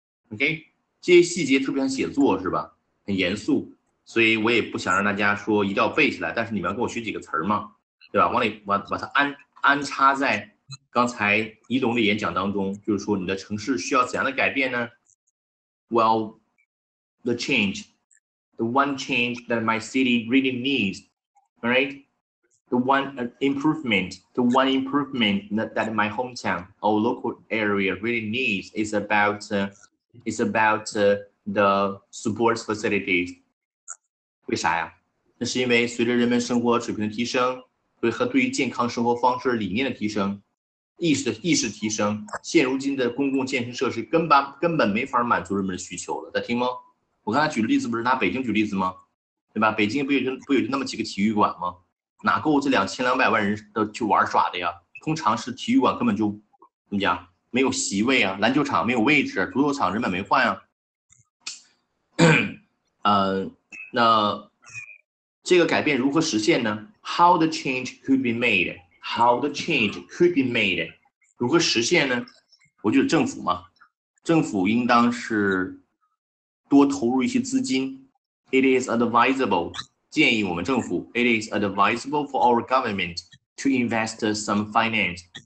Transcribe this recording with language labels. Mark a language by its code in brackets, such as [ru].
[zh] OK， 这些细节特别想写作是吧？很严肃，所以我也不想让大家说一定要背起来，但是你们要跟我学几个词嘛，对吧？往里把它安插在刚才伊隆的演讲当中，就是说你的城市需要怎样的改变呢？ [en] Well, the one change that my city really needs, right? The one improvement that my hometown or local area really needs is about the sports facilities. [zh] 为啥呀？那是因为随着人们生活水平的提升，对和对于健康生活方式理念的提升，意识提升，现如今的公共健身设施根本没法满足人们的需求了。大家听吗？我刚才举的例子不是拿北京举例子吗？对吧？北京不有那么几个体育馆吗？哪够这2200万人的去玩耍的呀？通常是体育馆根本就怎么讲，没有席位啊，篮球场没有位置，足球场人们没换啊。那这个改变如何实现呢 ？ [en] How the change could be made? How the change could be made? [zh] 如何实现呢？我觉得政府嘛，政府应当是多投入一些资金。 [en] It is advisable. [zh] 建议我们政府。 [en] It is advisable for our government to invest some finance.